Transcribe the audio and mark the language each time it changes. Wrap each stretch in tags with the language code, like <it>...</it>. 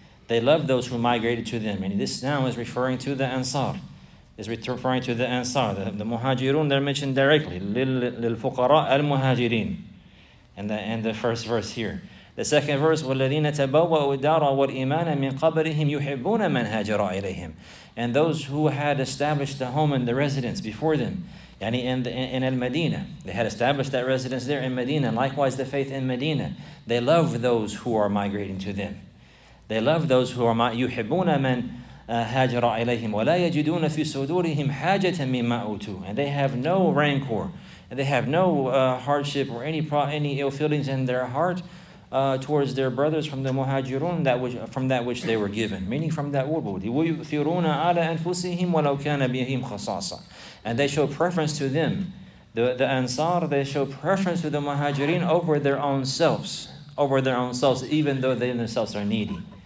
<en>They love those who migrated to them. And this now is referring to the Ansar. Is referring to the Ansar, the Muhajirun, they're mentioned directly.</en> <ar>لِلْفُقَرَاءَ الْمُهَاجِرِينَ</ar> <en>And the first verse here. The second verse,</en> <ar>وَالَّذِينَ تَبَوَّأُوا الدَّارَ وَالْإِيمَانَ مِنْ قَبْلِهِمْ يُحِبُّونَ مَنْ هَاجَرَ إِلَيْهِمْ.</ar> <en>And those who had established the home and the residence before them, yani in Al-Madinah, they had established that residence there in Medina, and likewise the faith in Medina, they love those who are migrating to them. They love those who are</en> <ar>يُحِبُّونَ مَنْ هَاجَرَ إِلَيْهِمْ وَلَا يَجِدُونَ فِي صُدُورِهِمْ حَاجَةً مِمَّا أُوتُوا.</ar> <en>And they have no rancor, and they have no hardship or any ill feelings in their heart towards their brothers from the muhajirun, from that which they were given, meaning from that wubudi.</en> <ar>وَيُؤْثِرُونَ عَلَى أَنفُسِهِمْ وَلَوْ كَانَ بِهِمْ خَصَاصًا.</ar> <en>And they show preference to them, the Ansar, they show preference to the muhajirin over their own selves, even though they themselves are needy.</en>